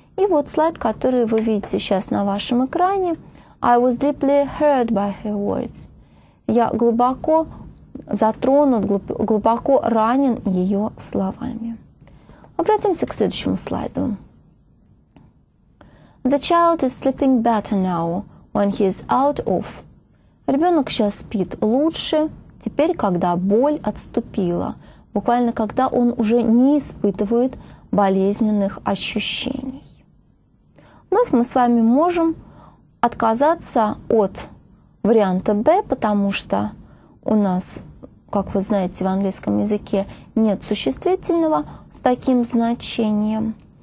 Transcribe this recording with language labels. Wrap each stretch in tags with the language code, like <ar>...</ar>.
<ru>И вот слайд, который вы видите сейчас на вашем экране.</ru> <en>I was deeply hurt by her words.</en> <ru>Я глубоко затронут, глубоко ранен ее словами. Обратимся к следующему слайду.</ru> <en>The child is sleeping better now when he is out of.</en> <ru>Ребенок сейчас спит лучше, теперь, когда боль отступила, буквально, когда он уже не испытывает болезненных ощущений. Вновь мы с вами можем отказаться от варианта B, потому что у нас, как вы знаете, в английском языке нет существительного с таким значением.</ru>